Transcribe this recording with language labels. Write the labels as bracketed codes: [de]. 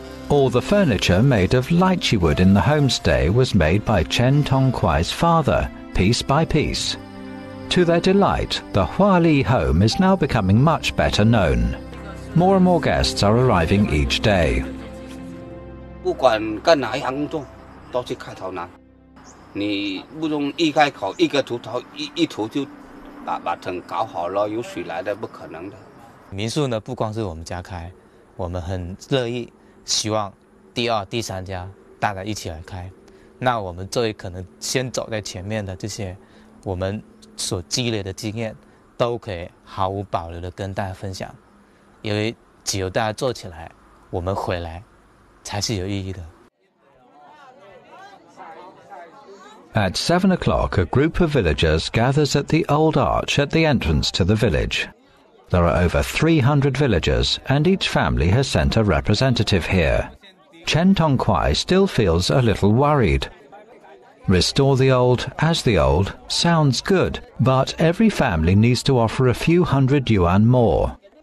[en] All the furniture made of lychee wood in the homestay was made by Chen Tonghua's father. Piece by piece. To their delight, the Hua Li home is now becoming much better known. More and more guests are arriving each day. [zh] 不管干哪一行工作，都是开头难。你不用一开口一个头一头就把城搞好了，有谁来的不可能的。民宿呢，不光是我们家开，我们很乐意，希望第二、第三家大家一起来开。那我们这里可能先走在前面的这些我们所积累的经验都可以毫无保留的跟大家分享，因为只有大家做起来，我们回来才是有意义的。 [en] At 7 o'clock, a group of villagers gathers at the old arch at the entrance to the village. There are over 300 villagers, and each family has sent a representative here. Chen Tongkwai still feels a little worried. Restore the old as the old sounds good, but every family needs to offer a few hundred yuan more.